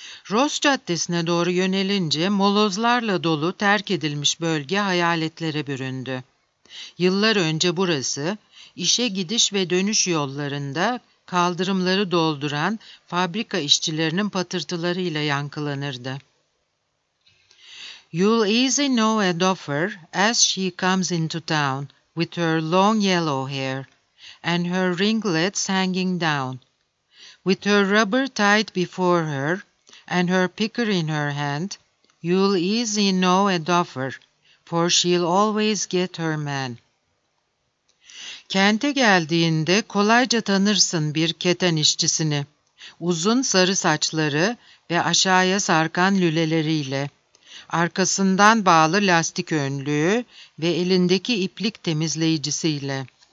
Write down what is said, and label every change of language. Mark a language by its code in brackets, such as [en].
[tr] Ross Caddesi'ne doğru yönelince molozlarla dolu terk edilmiş bölge hayaletlere büründü. Yıllar önce burası, işe gidiş ve dönüş yollarında kaldırımları dolduran fabrika işçilerinin patırtılarıyla yankılanırdı. [en] "You'll easy know a duffer as she comes into town with her long yellow hair and her ringlets hanging down, with her rubber tied before her and her picker in her hand. You'll easy know a duffer, for she'll always get her man." [tr] Kente geldiğinde kolayca tanırsın bir keten işçisini, uzun sarı saçları ve aşağıya sarkan lüleleriyle, arkasından bağlı lastik önlüğü ve elindeki iplik temizleyicisiyle.